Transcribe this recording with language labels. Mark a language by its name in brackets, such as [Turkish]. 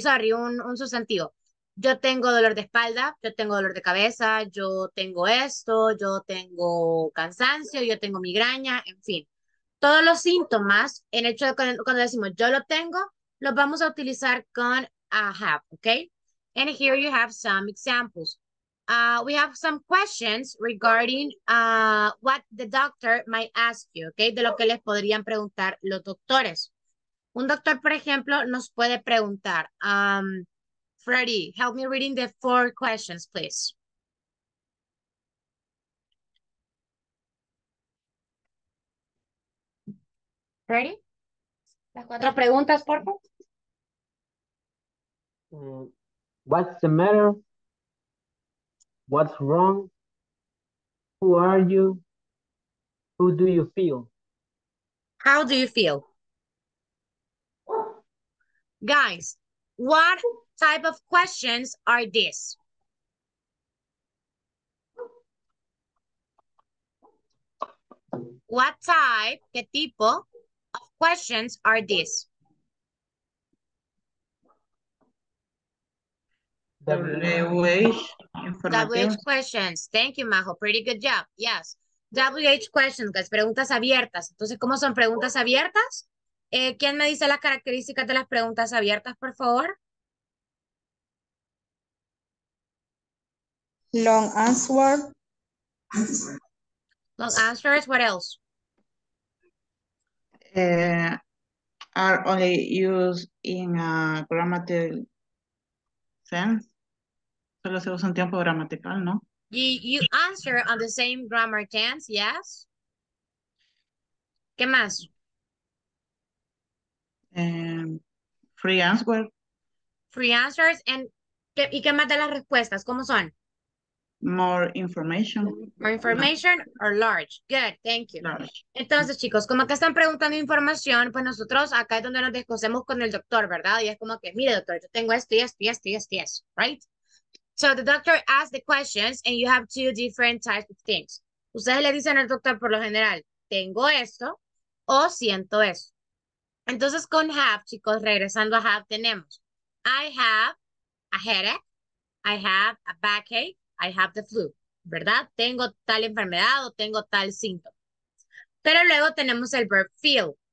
[English] Sorry, [Spanish] un sustantivo. Yo tengo dolor de espalda. Yo tengo dolor de cabeza. Yo tengo esto. Yo tengo cansancio. Yo tengo migraña. En fin. Todos los síntomas, el hecho de cuando decimos yo lo tengo, los vamos a utilizar con have, ¿ok? [English] And here you have some examples. We have some questions regarding what the doctor might ask you, okay? [Spanish] De lo que les podrían preguntar los doctores. Un doctor, por ejemplo, nos puede preguntar, Freddy, [English] help me reading the 4 questions, please. [Spanish] Freddy, las 4 preguntas, por favor. [English] What's the matter? What's wrong? Who are you? Who do you feel? How do you feel? Guys, what type of questions are these? What type, [Spanish] qué tipo [English] of questions are these? WH, WH [Spanish] información. [English] questions. Thank you, Majo. Pretty good job. Yes. WH questions, guys, [Spanish] preguntas abiertas. Entonces, ¿cómo son preguntas abiertas? ¿Quién me dice las características de las preguntas abiertas, por favor? [English] Long answer. Long answers, what else? Are only used in a grammatical sense. [Spanish] Solo se usa en tiempo gramatical, ¿no? [English] You answer on the same grammar tense, yes. [Spanish] ¿Qué más? [English] Free answer. Free answers. And, [Spanish] ¿y qué más de las respuestas? ¿Cómo son? [English] More information. More information or large. Good, thank you. Large. [Spanish] Entonces, chicos, como que están preguntando información, pues nosotros acá es donde nos discutimos con el doctor, ¿verdad? Y es como que, mire, doctor, yo tengo esto y esto y esto y esto, right? [English] So the doctor asks the questions and you have two different types of things. [Spanish] Ustedes le dicen al doctor por lo general, tengo esto o siento esto. Entonces con have, chicos, regresando a have, tenemos, [English] I have a headache, I have a backache, I have the flu, [Spanish] ¿verdad? Tengo tal enfermedad o tengo tal síntoma. Pero luego tenemos el verb feel.